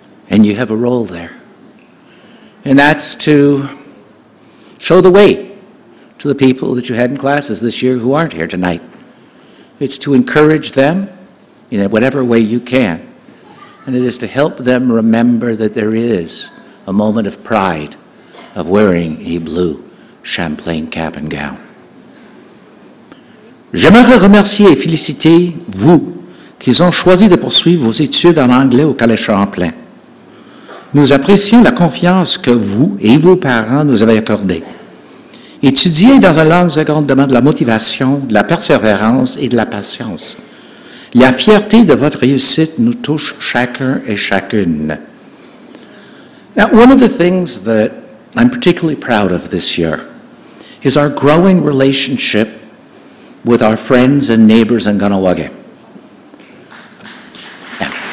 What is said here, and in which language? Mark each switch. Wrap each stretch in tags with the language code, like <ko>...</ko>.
<en>And you have a role there. And that's to show the way to the people that you had in classes this year who aren't here tonight. It's to encourage them in whatever way you can. And it is to help them remember that there is a moment of pride of wearing a blue Champlain cap and gown.</en> <fr>J'aimerais remercier et féliciter vous qui ont choisi de poursuivre vos études en anglais au Collège Champlain. Nous apprécions la confiance que vous et vos parents nous avez accordée. Étudier dans une langue seconde demande de la motivation, de la persévérance et de la patience. La fierté de votre réussite nous touche chacun et chacune.</fr> <en>Now, one of the things that I'm particularly proud of this year is our growing relationship with our friends and neighbors in Ganawage. Yeah.</en>